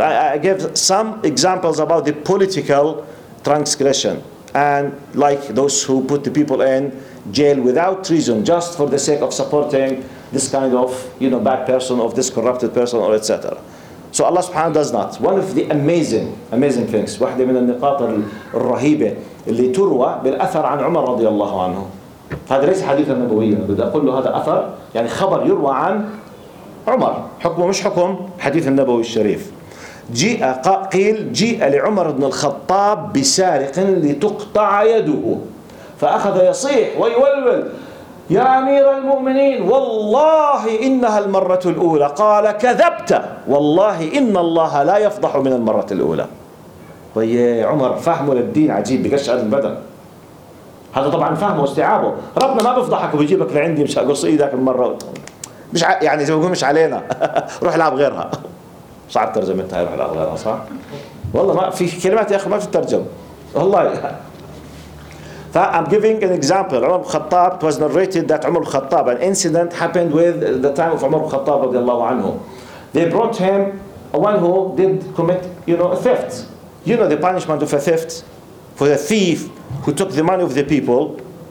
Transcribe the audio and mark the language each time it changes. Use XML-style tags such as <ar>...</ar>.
<en>I gave some examples about the political transgression and like those who put the people in jail without reason, just for the sake of supporting this kind of, you know, bad person of this corrupted person or etc. So Allah subhanahu does not. One of the amazing, amazing things,</en> <ar>واحدة من النقاط الرهيبة اللي تروى بالأثر عن عمر رضي الله عنه. هذا ليس حديث النبوي. بدي أقول له هذا أثر يعني خبر يروى عن عمر حكمه مش حكم حديث النبوي الشريف. قيل جيء لعمر بن الخطاب بسارق لتقطع يده فأخذ يصيح ويولول يا أمير المؤمنين والله إنها المرة الأولى. قال كذبت والله إن الله لا يفضح من المرة الأولى. ويا عمر فهمه للدين عجيب بقشع البدن. هذا طبعا فهمه واستيعابه. ربنا ما بفضحك وبيجيبك لعندي مش أقص إيدك المرة مش يعني زي ما يقول مش علينا. روح العب غيرها. صعب ترجمتها. روح العب غيرها صح؟ والله ما في كلمات يا أخي ما في ترجم والله.</ar> <en>I'm giving an example. Umar al-Khattab, it was narrated that Umar al-Khattab, an incident happened with the time of Umar al-Khattab radiallahu anhu. They brought him one who did commit, you know, a theft. You know the punishment of a theft for the thief who took the money of the people.</en>